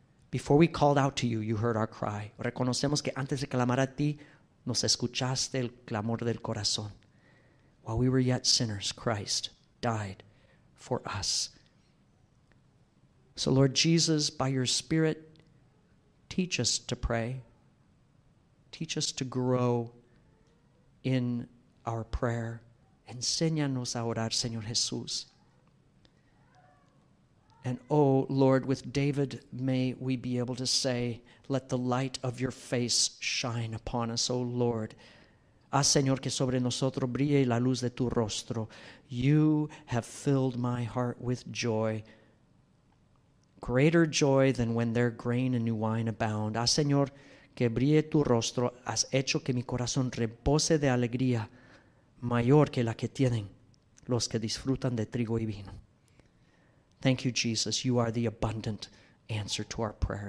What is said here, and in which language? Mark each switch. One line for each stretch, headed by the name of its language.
English: Before we called out to you, you heard our cry.
Spanish: Reconocemos que antes de clamar a ti, nos escuchaste el clamor del corazón.
English: While we were yet sinners, Christ died for us. So Lord Jesus, by your Spirit, teach us to pray. Teach us to grow in our prayer.
Spanish: Enséñanos a orar, Señor Jesús.
English: And oh, Lord, with David, may we be able to say, let the light of your face shine upon us, oh Lord.
Spanish: Ah, Señor, que sobre nosotros brille la luz de tu rostro.
English: You have filled my heart with joy. Greater joy than when their grain and new wine abound.
Spanish: Ah, Señor, que brille tu rostro, has hecho que mi corazón rebose de alegría mayor que la que tienen los que disfrutan de trigo y vino.
English: Thank you, Jesus. You are the abundant answer to our prayer.